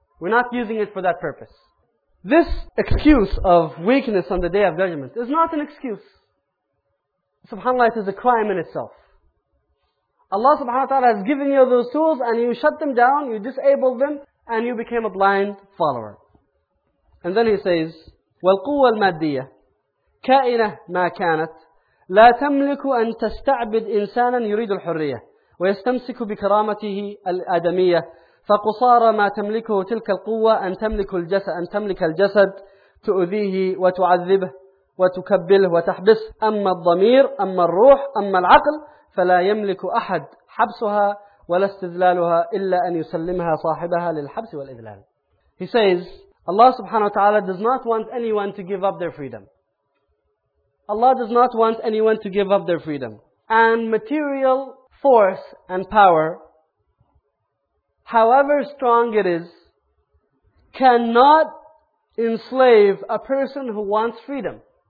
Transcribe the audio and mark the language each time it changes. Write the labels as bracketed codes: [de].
[en] We're not using it for that purpose. This excuse of weakness on the Day of Judgment is not an excuse. SubhanAllah, it is a crime in itself. Allah subhanahu wa ta'ala has given you those tools and you shut them down, you disabled them, and you became a blind follower. And then he says, [ar] وَالْقُوَّ الْمَادِّيَّةِ كَائِنَةً مَا كَانَتْ لَا تَمْلِكُ أَن تَسْتَعْبِدْ إِنسَانًا يُرِيدُ الْحُرِّيَّةِ ويستمسك بكرامته الآدمية فقصار ما تملكه تلك القوة أن تملك الجسد أن تملك الجسد تؤذيه وتعذبه وتكبله وتحبسه أما الضمير أما الروح أما العقل فلا يملك أحد حبسها ولا استذلالها إلا أن يسلمها صاحبها للحبس والإذلال. [en] He says, Allah subhanahu wa ta'ala does not want anyone to give up their freedom. Allah does not want anyone to give up their freedom. And material force and power, however strong it is, cannot enslave a person who wants freedom.